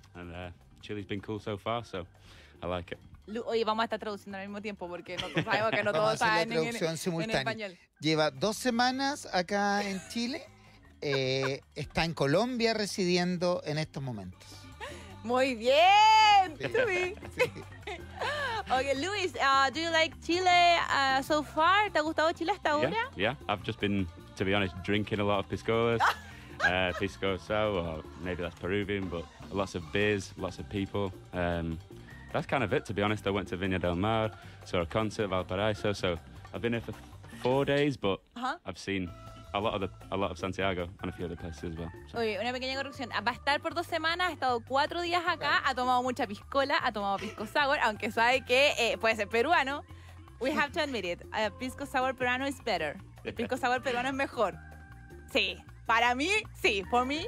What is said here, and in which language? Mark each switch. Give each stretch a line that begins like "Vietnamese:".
English: And Chile's been cool so far, so I like it.
Spanish: Oye, vamos a estar traduciendo al mismo tiempo porque no sabemos que no todos saben la traducción simultánea. Lleva 2 semanas acá en Chile. Está en Colombia residiendo en estos momentos. Muy bien. Sí.
English: Okay, Luis, do you like Chile so far?
Spanish: ¿Te ha gustado Chile hasta ahora?
English: Yeah, yeah. I've just been, to be honest, drinking a lot of piscolas. Pisco Sour, or maybe that's Peruvian, but lots of beers, lots of people. That's kind of it, to be honest. I went to Viña del Mar, saw a concert at Valparaíso, so I've been here for 4 days, but uh-huh. I've seen a lot of Santiago and a few other places as well.
Spanish: So. Oye, una pequeña corrección. Va a estar por 2 semanas, ha estado 4 días acá, ha tomado mucha piscola, ha tomado Pisco Sour, aunque sabe que puede ser peruano.
English: We have to admit it, Pisco Sour peruano is better.
Spanish: El Pisco Sour peruano es mejor. Sí. Para mí, sí.
English: For me,